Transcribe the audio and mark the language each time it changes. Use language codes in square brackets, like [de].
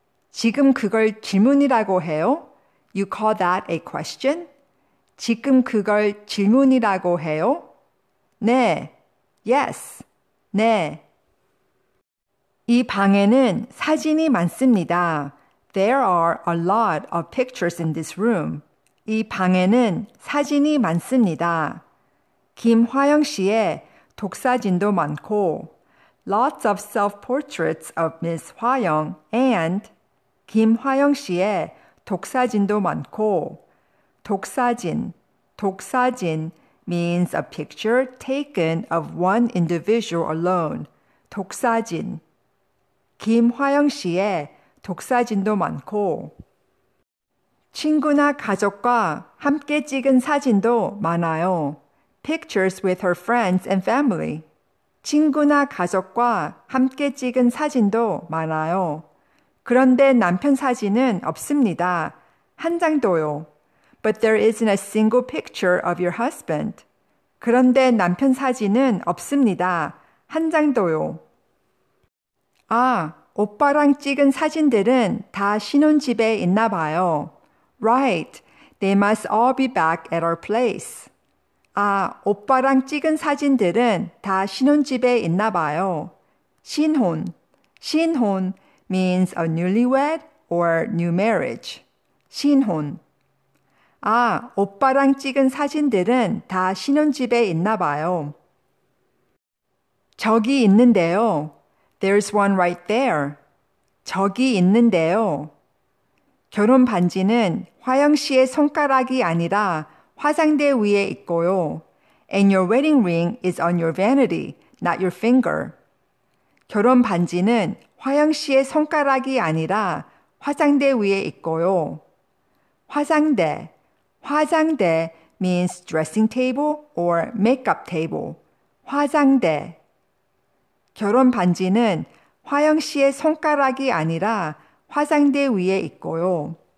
[ko] 지금 그걸 질문이라고 해요? [en] You call that a question? [ko] 지금 그걸 질문이라고 해요? 네. [en] Yes. [ko] 네. 이 방에는 사진이 많습니다. [en] There are a lot of pictures in this room. [ko] 이 방에는 사진이 많습니다. 김화영 씨의 독사진도 많고 [en] Lots of self-portraits of Ms. 화영 and [ko] 김화영 씨의 독사진도 많고 독사진, 독사진 [en] means a picture taken of one individual alone. [ko] 독사진, 김화영 씨의 독사진도 많고 친구나 가족과 함께 찍은 사진도 많아요. [en] Pictures with her friends and family. [ko] 친구나 가족과 함께 찍은 사진도 많아요. 그런데 남편 사진은 없습니다. 한 장도요. [en] But there isn't a single picture of your husband. [ko] 그런데 남편 사진은 없습니다. 한 장도요. 아, 오빠랑 찍은 사진들은 다 신혼집에 있나 봐요. [en] Right. They must all be back at our place. [ko] 아, 오빠랑 찍은 사진들은 다 신혼집에 있나 봐요. [en] 신혼. 신혼 means a newlywed or new marriage. 신혼. [ko] 아, 오빠랑 찍은 사진들은 다 신혼집에 있나 봐요. 저기 있는데요. [en] There's one right there. [ko] 저기 있는데요. 결혼 반지는 화영 씨의 손가락이 아니라 화장대 위에 있고요. [en] And your wedding ring is on your vanity, not your finger. [ko] 결혼 반지는 화영 씨의 손가락이 아니라 화장대 위에 있고요. [en] 화장대. 화장대 means dressing table or makeup table. 화장대. [ko] 결혼 반지는 화영 씨의 손가락이 아니라 화장대 위에 있고요.